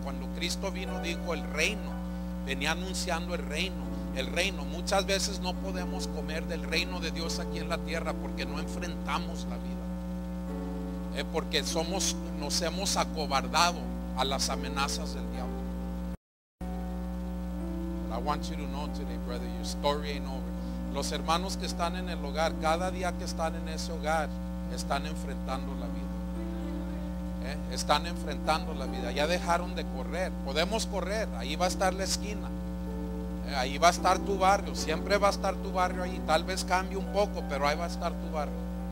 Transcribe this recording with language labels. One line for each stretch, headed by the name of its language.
Spanish: Cuando Cristo vino, dijo el reino, venía anunciando el reino. El reino, muchas veces no podemos comer del reino de Dios aquí en la tierra porque no enfrentamos la vida, porque somos, nos hemos acobardado a las amenazas del diablo.
English: But I want you to know today, brother, your story ain't over.
Spanish: Los hermanos que están en el hogar, cada día que están en ese hogar, están enfrentando la vida. Están enfrentando la vida. Ya dejaron de correr. Podemos correr, ahí va a estar la esquina. Ahí va a estar tu barrio, siempre va a estar tu barrio ahí. Tal vez cambie un poco, pero ahí va a estar tu barrio.